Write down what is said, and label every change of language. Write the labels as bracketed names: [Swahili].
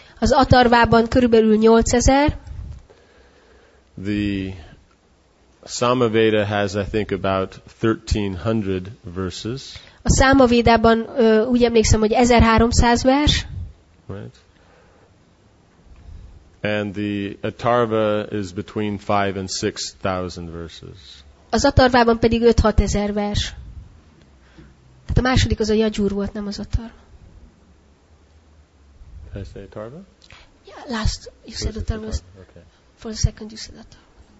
[Hungarian] Az Atharvában körülbelül 8,000. [English] The Samaveda has, I think, about 1,300 verses. [Hungarian] A Samavédában úgy emlékszem, hogy 1,300 vers. [English] Right. And the Atharva is between 5,000 and 6,000 verses. [Hungarian] Az Atharvában pedig 5-6 ezer vers. Tehát a második az a Yajur volt, nem az Atharva. [English] Did I say Atharva? Yeah, last you said Atharva. Okay. For a second you said Atharva.